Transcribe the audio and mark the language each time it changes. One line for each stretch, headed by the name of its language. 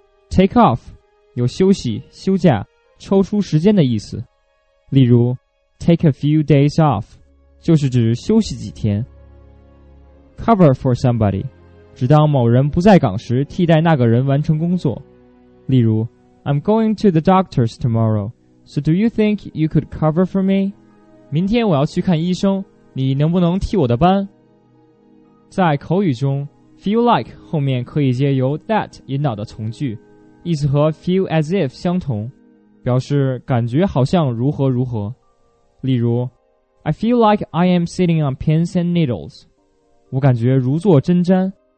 Chinese: Take off, 有休息、休假、抽出时间的意思。
English: 例如 ,take a few days off, 就是指休息几天。 Cover for somebody,
Chinese: 直到某人不在岗时替代那个人完成工作。
English: 例如 I'm going to the doctor's tomorrow, so do you think you could cover for me?
Chinese: 明天我要去看医生，你能不能替我的班？在口语中 feel like 后面可以接由 that 引导的从句，意思和 feel as if 相同，表示感觉好像如何如何。
English: 例如 I feel like I am sitting on pins and needles, 我感觉如坐针毡。